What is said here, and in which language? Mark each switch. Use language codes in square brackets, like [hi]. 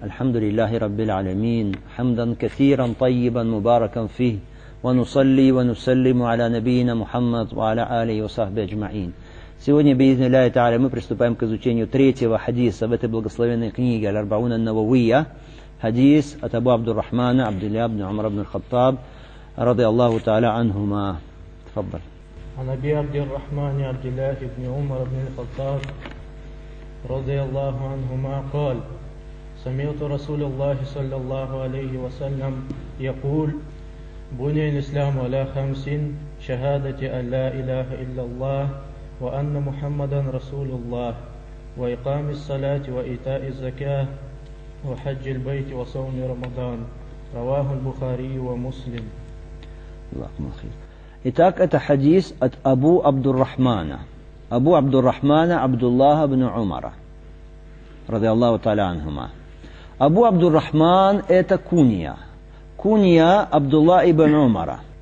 [ar] الحمد لله رب العالمين، حمدا كثيرا طيبا مباركا فيه، ونصلي ونسلم على نبينا محمد وعلى آله وصحبه أجمعين. [ru] Сегодня, [ar] بإذن الله تعالى, [ru] мы приступаем к изучению третьего хадиса в этой благословенной книге Аль-Арбауна Ан-Нававия, хадис от Абу Абдур-Рахмана Абдулля ибн Умар ибн Аль-Хаттаб [ar] رضي الله تعالى عنهما. تفضل. عن أبي عبد الرحمن عبد الله بن عمر بن الخطاب رضي الله عنهما قال: سمعت رسول الله صلى الله عليه وسلم يقول: بني الإسلام على خمس: شهادة أن لا إله إلا الله وأن محمدا رسول الله، وإقام الصلاة وإيتاء الزكاة، وحج البيت، وصوم رمضان. رواه البخاري ومسلم. [ru] Итак, это хадис от Абу Абдур-Рахмана. Абу Абдур-Рахмана Абдуллаха ибн Умара [ar] رضي الله تعالى عنهما. [ru] Абу Абдур-Рахман — это куния. Куния Абдулла ибн Умара.